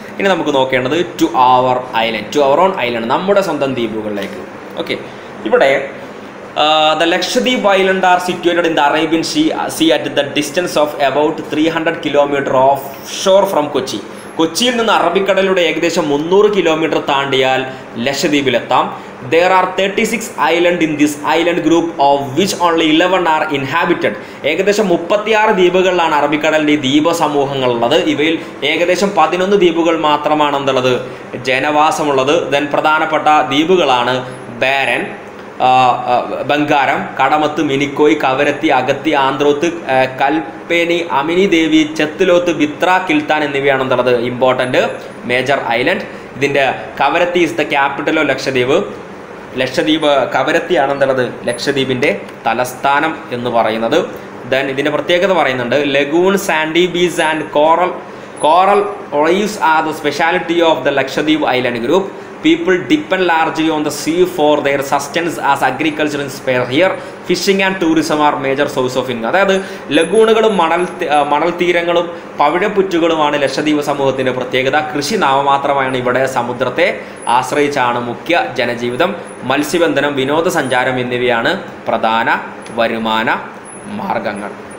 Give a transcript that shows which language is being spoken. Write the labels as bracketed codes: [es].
[ml] ഇനി നമുക്ക് നോക്കേണ്ടത് [en] to our island, to our own island, [ml] നമ്മുടെ സ്വന്തം ദ്വീപുകളിലേക്ക്. [en] Okay, ഇവിടെ the Lakshadweep island are situated in the Arabian sea at the distance of about 300 km off shore from Kochi. [ml] കൊച്ചിയിൽ നിന്ന് അറബിക്കടലിലൂടെ ഏകദേശം 300 km താണ്ടിയാൽ ലക്ഷദ്വീപിലെത്താം. [en] There are 36 island in this island group, of which only 11 are inhabited. [ml] ഏകദേശം 36 ദ്വീപുകളിലാണ് അറബിക്കടലിൻ്റെ ദ്വീപ സമൂഹങ്ങളുള്ളത്. ഇവയിൽ ഏകദേശം 11 ദ്വീപുകൾ മാത്രമാണ് എന്തുള്ളത്, ജനവാസമുള്ളത്. Then പ്രധാനപ്പെട്ട ദ്വീപുകളാണ് barren, Bangaram, Kadmat, Minicoy, Kavaratti, Agatti, Androth, Kalpeni, Amini ദേവി, ചെത്തുലോത്ത്, ബിത്ര, കിൽത്താൻ എന്നിവയാണ് എന്നുള്ളത് ഇമ്പോർട്ടൻ്റ് മേജർ ഐലൻഡ്. ഇതിൻ്റെ [en] Kavaratti is the capital of Lakshadweep. [ml] Lakshadweep കവരത്തിയാണ് എന്നുള്ളത് ലക്ഷദ്വീപിൻ്റെ തലസ്ഥാനം എന്ന് പറയുന്നത്. ദൻ ഇതിൻ്റെ പ്രത്യേകത പറയുന്നുണ്ട്, [en] Lagoon, sandy beach and coral coral olives are the speciality of the Lakshadweep island group. People depend largely on the sea for their sustenance as agriculture is spare here. Fishing and tourism are major source of income. [ml] അതായത് ലഗൂണുകളും മണൽ തീരങ്ങളും പവിഴപ്പുറ്റുകളുമാണ് ലക്ഷദ്വീപ് സമൂഹത്തിൻ്റെ പ്രത്യേകത. കൃഷി നാമമാത്രമാണ് ഇവിടെ സമുദ്രത്തെ ആശ്രയിച്ചാണ് മുഖ്യ ജനജീവിതം. മത്സ്യബന്ധനം, വിനോദസഞ്ചാരം എന്നിവയാണ് പ്രധാന വരുമാന മാർഗങ്ങൾ.